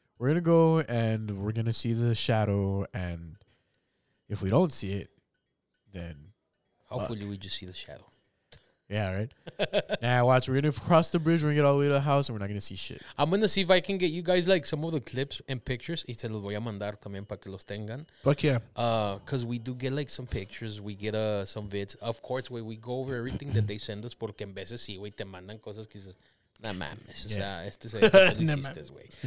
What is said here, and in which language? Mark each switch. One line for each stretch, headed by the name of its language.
English: We're going to go, and we're going to see the shadow, and if we don't see it, then hopefully we just see the shadow. Yeah, right? Watch. We're going to cross the bridge. We're going to get all the way to the house, and we're not going to see shit. I'm going to see if I can get you guys, like, some of the clips and pictures.
Spanish: Y se los voy a mandar también para que los tengan.
English: Fuck yeah. Because we do get, like, some pictures. We get some vids. Of course, where we go over everything that they send us.
Spanish: Porque en veces sí, güey, te mandan cosas que dices, no mames. Yeah. O sea, este es el que tú lo hiciste, güey.